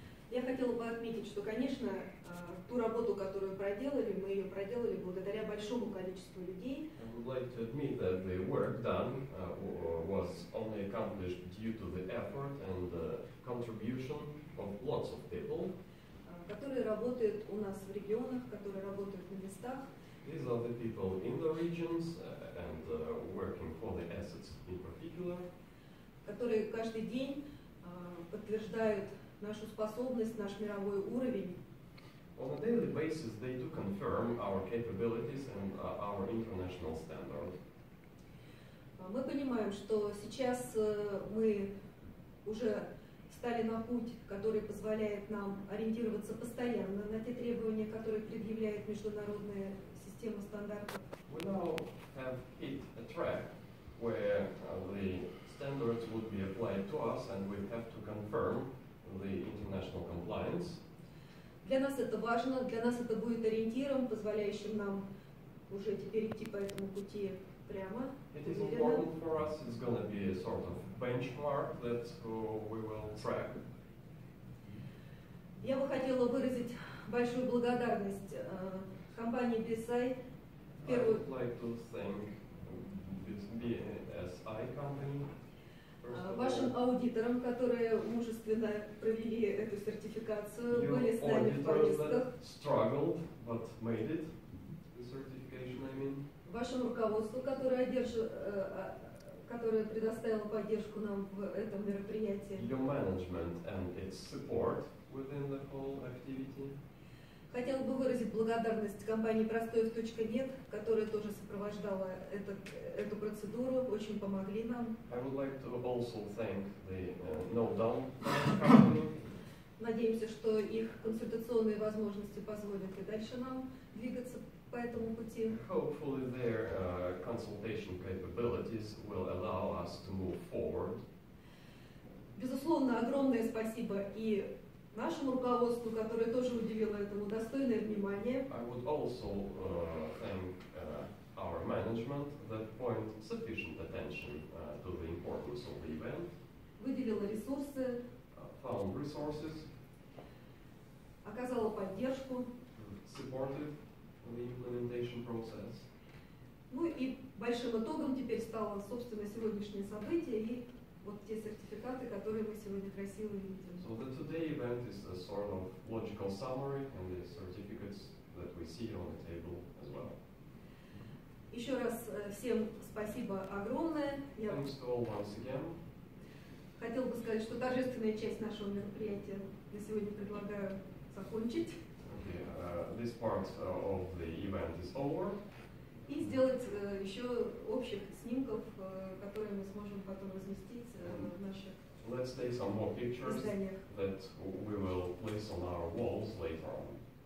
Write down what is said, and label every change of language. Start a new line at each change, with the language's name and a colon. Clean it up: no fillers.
Russian: Я хотела бы отметить, что, конечно, ту работу, которую проделали, мы ее проделали благодаря большому количеству людей.
English: I would like to admit that the work done was only accomplished due to the effort and the contribution of lots of people,
Russian: которые работают у нас в регионах, которые работают на местах.
English: These are the people in the regions and working for the assets in particular.
Russian: Которые каждый день подтверждают нашу способность, наш мировой уровень.
English: On a daily basis, they do confirm our capabilities and our international standard.
Russian: Мы понимаем, что сейчас мы уже встали на путь, который позволяет нам ориентироваться постоянно на те требования, которые предъявляет международная система стандартов.
English: We now have hit a track where the standards would be applied to us and we have to confirm the international compliance.
Russian: Для нас это важно, для нас это будет ориентиром, позволяющим нам уже теперь идти по этому пути.
English: It is important for us, it's going to be a sort of benchmark that we will track.
Russian: Я бы хотела выразить большую благодарность компании BSI.
English: I would like to thank BSI company.
Russian: Вашим аудиторам, которые мужественно провели эту сертификацию, были с нами в поисках.
English: Struggled, but made it, the certification, I mean.
Russian: Вашему руководству, которое предоставило поддержку нам в этом мероприятии.
English: Your management and its support within the whole activity.
Russian: Хотел бы выразить благодарность компании Простоев.нет, которая тоже сопровождала эту процедуру, очень помогли нам.
English: I would like to also thank the NoDown company.
Russian: Надеемся, что их консультационные возможности позволят и дальше нам двигаться.
English: Hopefully their consultation capabilities will allow us to move forward.
Russian: Безусловно, огромное спасибо и нашему руководству, которое тоже уделило этому достойное внимание.
English: I would also thank our management that point sufficient attention to the importance of the event.
Russian: Выделило ресурсы.
English: Found resources.
Russian: Оказало поддержку.
English: Supported. The implementation process.
Russian: Ну и большим итогом теперь стало, собственно, сегодняшнее событие и вот те сертификаты, которые мы сегодня красиво видим.
English: So the today event is a sort of logical summary and the certificates that we see on the table as well.
Russian: Еще раз всем спасибо огромное.
English: Thanks to all once again.
Russian: Хотел бы сказать, что торжественная часть нашего мероприятия на сегодня предлагаю закончить.
English: This part of the event is over.
Russian: И сделать еще общих снимков, которые мы сможем потом разместить в наших.
English: Let's take some more pictures
Russian: изданиях.
English: That we will place on our walls later on.